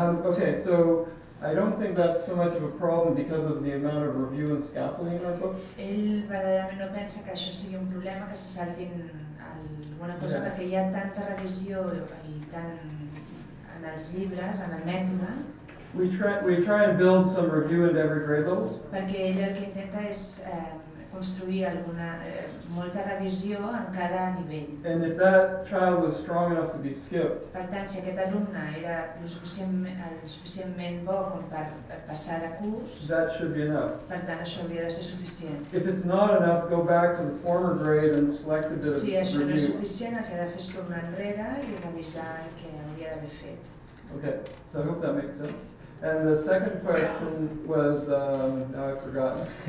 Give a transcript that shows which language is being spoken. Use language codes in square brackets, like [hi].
[en] Okay, so I don't think that's so much of a problem because of the amount of review and scaffolding in our book. [ca] Ell verdaderament no pensa que això sigui un problema, que se saltin alguna cosa, perquè hi ha tanta revisió i tant en els llibres, en el mètode. [en] We try and build some review into every grade level. [ca] Perquè ell el que intenta és construir alguna molta revisió en cada nivell. [en] And if that child was strong enough to be skipped. [ca] Per tant, si aquest alumne era el suficientment bo com per passar de curs. [en] That should be enough. [ca] Per tant, això hauria de ser suficient. [en] If it's not enough, go back to the former grade and select a bit of [ca] Si això no és suficient, el que ha de fer és tornar enrere i revisar el que hauria d'haver fet. [en] Okay, so I hope that makes sense. And the second question was, now I've forgotten.